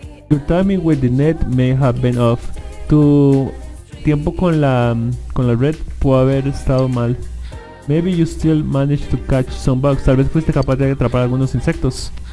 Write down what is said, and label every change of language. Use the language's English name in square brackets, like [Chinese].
[English] Your timing with the net may have been off. [Spanish] Tu tiempo con la red pudo haber estado mal. [English] Maybe you still managed to catch some bugs. [Spanish] Tal vez fuiste capaz de atrapar algunos insectos.